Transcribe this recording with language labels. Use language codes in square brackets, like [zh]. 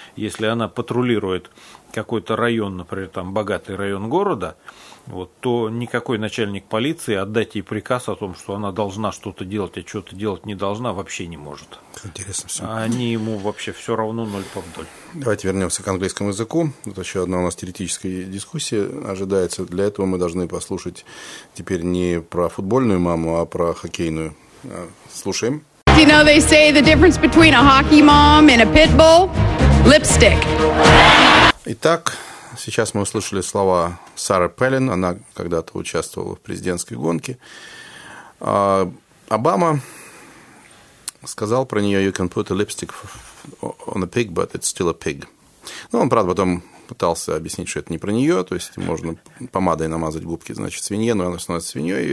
[ru] Если она патрулирует какой-то район, например, там богатый район города, вот, то никакой начальник полиции отдать ей приказ о том, что она должна что-то делать, а что-то делать не должна, вообще не может. Интересно все. Они ему вообще все равно ноль по вдоль. Давайте вернемся к английскому языку. Тут еще одна у нас теоретическая дискуссия ожидается. Для этого мы должны послушать теперь не про футбольную маму, а про хоккейную. Слушаем. [en] You know, they say the difference between a hockey mom and a pit bull – lipstick. [ru] Итак, сейчас мы услышали слова Сары Пелин, она когда-то участвовала в президентской гонке. Обама сказал про нее: [en] «You can put a lipstick on a pig, but it's still a pig». [ru] Ну, он, правда, потом пытался объяснить, что это не про нее, то есть можно помадой намазать губки, значит, свинье, но она становится свиньей.